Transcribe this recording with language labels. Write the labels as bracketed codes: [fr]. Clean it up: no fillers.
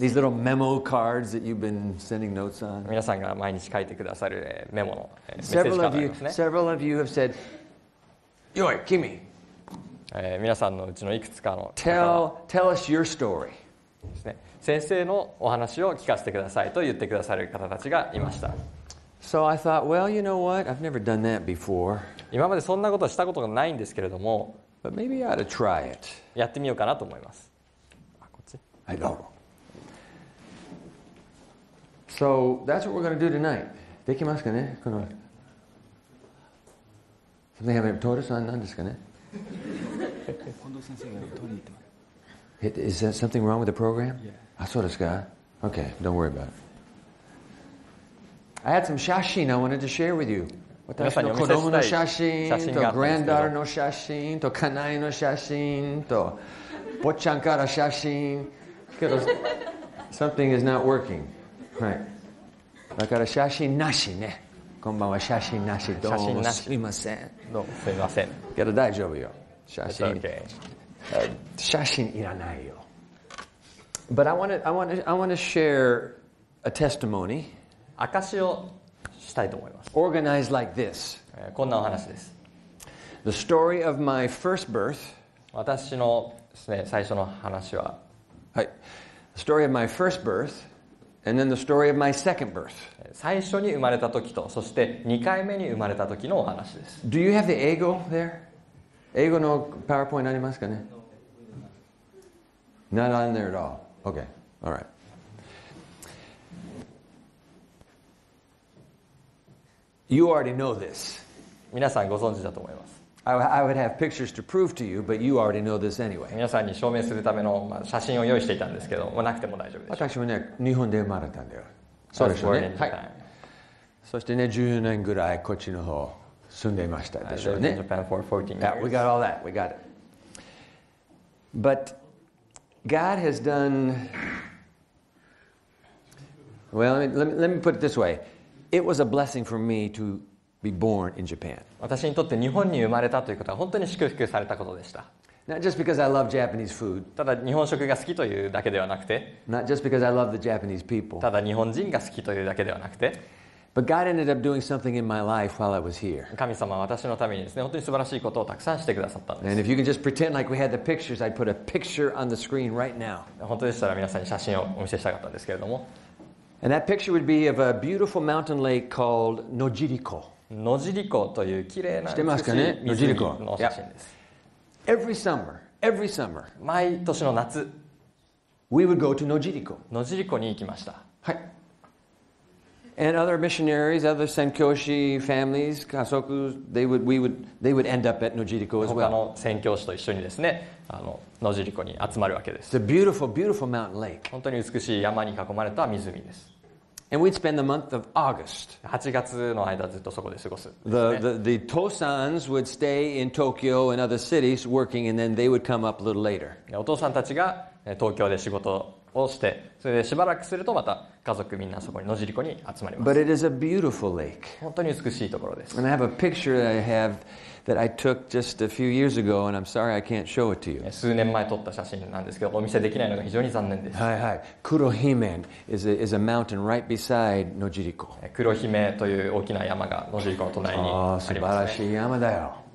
[en] These little memo cards that you've been sending notes on. [ja] 皆さんが毎日書いてくださるメモのメッセージカードですね。 [en] Several of you have said, "Yoi, Kimi." [ja] 皆さんのうちのいくつかの [en] tell us your story. [ja] ですね。先生のお話を聞かせてくださいと言ってくださる方たちがいました。 [en] So I thought, well, you know what? I've never done that before. [ja] 今までそんなことしたことがないんですけれども、 [en] But maybe I ought to try it. [ja] やってみようかなと思います。あ、こっち。はい、どうぞ。 [en] So that's what we're going to do tonight. [ja] できますかね、この。 [en] Something happened. [ja] トールさん、何ですかね。近藤先生が取りに行ってます。 [en] Is that something wrong with the program? Yeah. [ja] あ、そうですか。 [en] Okay, don't worry about it. I had some 写真 I wanted to share with you. [ja] 私の子供の写真と granddaughter の写真と家内の写真と坊ちゃんから写真。けど、 [en] something is not working. Right. [ja] だから写真なしね。こんばんは、写真なし。どうもすみません。どうもすみません。けど大丈夫よ。写真。 [en] It's okay. [ja] 写真いらないよ。 [en] But I want to share a testimony. [ja] 証しをしたいと思います。 [en] Organized like this. [ja] こんなお話です。 [en] The story of my first birth. [ja] 私のですね、最初の話は。はい。 [en] The story of my first birth, and then the story of my second birth. [ja] 最初に生まれた時と、そして2回目に生まれた時のお話です。 [en] Do you have the 英語 there? [ja] 英語の PowerPoint ありますかね [en] ?Not on there at all. Okay. All right. You already know this. [ja] 皆さんご存知だと思います。 [en] I would have pictures to prove to you, but you already know this anyway. [ja] 皆さんに証明するための、まあ、写真を用意していたんですけど、まあ、なくても大丈夫です。私もね、日本で生まれたんだよ。そうでしょうね。はい。そしてね、14年ぐらいこっちの方住んでいましたでしょうね。 [en] I lived in Japan for 14 years. Yeah, we got all that. We got it. But God has done... Well, let me put it this way. It was a blessing for me to be born in Japan. [ja] 私にとって日本に生まれたということは本当に祝福されたことでした。 [en] Not just because I love Japanese food. [ja] ただ日本食が好きというだけではなくて。 [en] Not just because I love the Japanese people. [ja] ただ日本人が好きというだけではなくて。 [en] But God ended up doing something in my life while I was here. [ja] 神様は私のためにですね、本当に素晴らしいことをたくさんしてくださったんです。 [en] And if you can just pretend like we had the pictures, I'd put a picture on the screen right now. [ja] 本当でしたら皆さんに写真をお見せしたかったんですけれども。 [en] And that picture would be of a beautiful mountain lake called Nojiriko. [ja] Nojiriko という綺麗な湖の写真です。知ってますかね? [en] Every summer, [ja] 毎年の夏、 [en] we would go to Nojiriko. [ja] Nojiriko に行きました。はい。 [en] And other missionaries, other Senkyoshi families, Kasoku, they would end up at Nojiriko as well. [ja] 他の宣教師と一緒にですね、あの、野尻に集まるわけです。 [en] It's a beautiful, beautiful mountain lake. [ja] 本当に美しい山に囲まれた湖です。 [en] And we'd spend the month of August. [ja] 8月の間ずっとそこで過ごす。 [en] The Tosans would stay in Tokyo and other cities working, and then they would come up a little later. [ja] お父さんたちが東京で仕事をして、それでしばらくするとまた家族みんなそこに野尻湖に集まります。 [en] But it is a beautiful lake. [ja] 本当に美しいところです。 [en] And I have a picture that I have that I took just a few years ago, and I'm sorry I can't show it to you. [ja] 数年前撮った写真なんですけど、お見せできないのが非常に残念です。はいはい。 [en] 黒姫 is a mountain right beside 野尻 [ja] 湖。黒姫という大きな山が野尻湖の隣にありますね。ああ、素晴らしい山だよ。